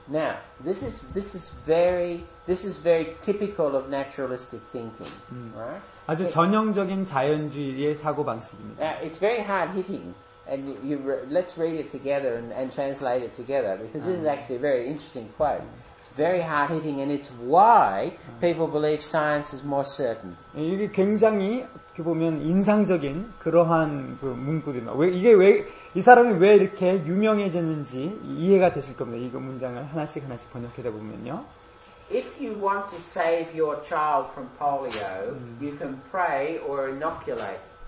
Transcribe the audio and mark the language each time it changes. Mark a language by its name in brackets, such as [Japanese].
[English] Now, this is very typical of naturalistic thinking, right? [Korean] 아주 전형적인 자연주의의 사고 방식입니다. [English] Now, it's very hard hitting. And let's read it together and translate it together because this is actually a very interesting quote. It's very hard hitting, and it's why people believe science is more certain. [Korean] 이게 굉장히 이렇게 보면 인상적인 그러한 그 문구들입니다. 이 사람이 왜 이렇게 유명해졌는지 이해가 되실 겁니다. 이거 문장을 하나씩 번역해다 보면요. [English] If you want to save your child from polio, you can pray or inoculate.